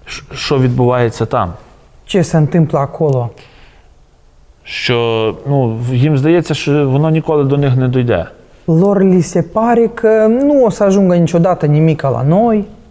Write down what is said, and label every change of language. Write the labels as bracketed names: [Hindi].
[Ukrainian] Що відбувається там? [Romanian] Ce se întâmplă acolo? [Ukrainian] Що, ну, їм здається, що воно ніколи до них не дойде. [Romanian] Lor li se pare că nu o să ajungă niciodată nimic la noi.